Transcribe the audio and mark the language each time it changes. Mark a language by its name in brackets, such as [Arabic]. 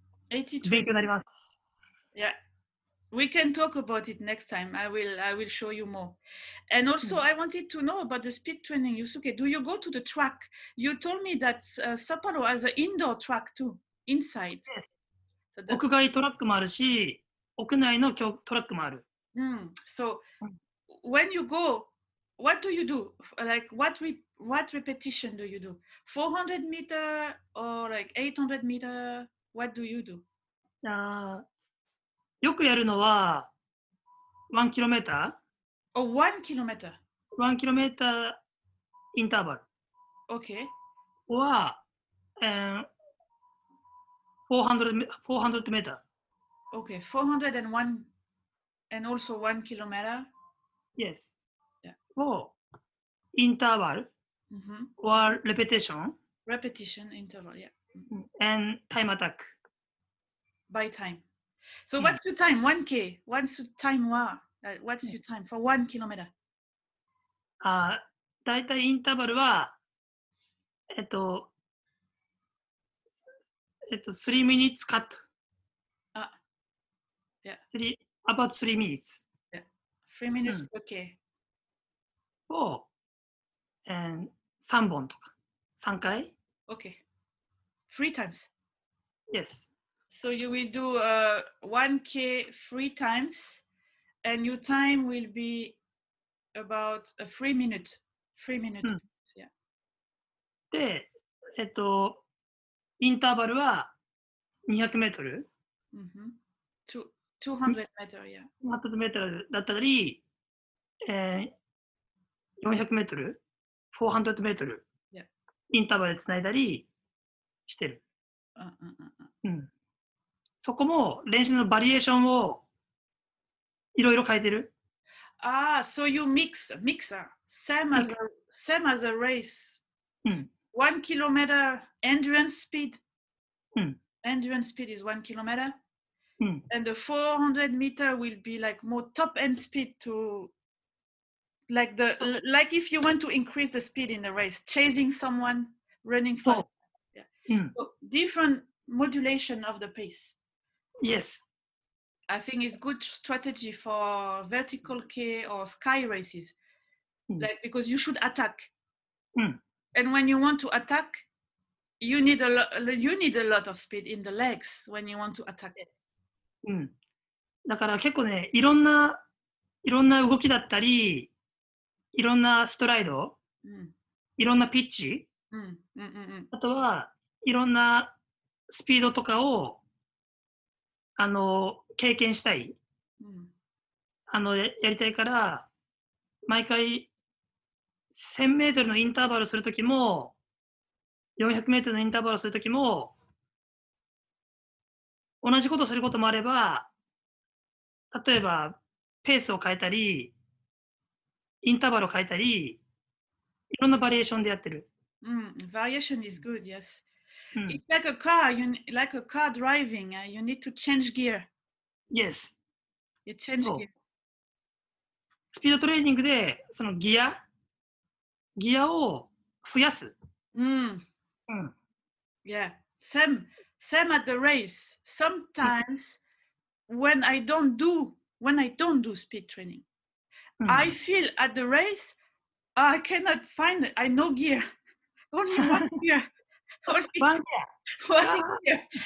[English] 80-20. [Japanese] 勉強になります。 [English] Yeah, we can talk about it next time. I will show you more. And also, I wanted to know about the speed training, Yusuke. Do you go to the track? You told me that Sapporo has an indoor track too, inside. Yes. [Japanese] 屋外トラックもあるし、屋内のトラックもある。 [English] So, when you go, what do you do? Like, what repetition do you do? 400 meter or like 800 meter? What do you do? [Japanese] よくやるのは1キロメーター Oh, 1キロメーター 1キロメーターインターバル [English] OK [Japanese] は400メーター [English] OK, 400 and 1 and also 1キロメーター Yes、 yeah. [Japanese] をインターバル、mm-hmm. [English] or repetition interval, yeah and time attack by time So what's your time? 1K. What's your time? What's your time for 1 kilometer? [Japanese] だいたいインターバルは、 [English] 3 minutes cut. About 3 minutes. Yeah. 3 minutes per K. [Japanese] を、3本とか。3回。 [English] Okay. 3 times. Yes. So you will do 1K 3 times and your time will be about 3 minutes. 3 minutes,、yeah. [Japanese] で、インターバルは200メートル、 200メートル、 200メートルだったり、400メートル、400メートル、インターバルでつないだりしてる。そこも練習のバリエーションをいろいろ変えてる。 [English] ああ、so you mix, same as a race. 1 kilometer endurance speed. Endurance speed is 1 kilometer. And the 400 meter will be like more top end speed to like the like if you want to increase the speed in the race, chasing someone, running fast. So, different modulation of the pace. Yes. I think it's good strategy for vertical K or sky races. Like, because you should attack. And when you want to attack, you need a lot of speed in the legs when you want to attack. [Japanese] だから結構ね、いろんな動きだったり、いろんなストライド、いろんなピッチ、あとはいろんなスピードとかを経験したい、やりたいから毎回1000メートルのインターバルするときも400メートルのインターバルするときも同じことすることもあれば、例えばペースを変えたりインターバルを変えたりいろんなバリエーションでやってる。 [English] バリエーション is good, yes. It's like a car, like a car driving, you need to change gear. Yes. You change gear. [Japanese] スピードトレーニングで、そのギアを増やす。 [English] Yeah, same at the race. Sometimes, when I don't do speed training,I feel at the race, I cannot find it, I no gear. Only one gear. One gear.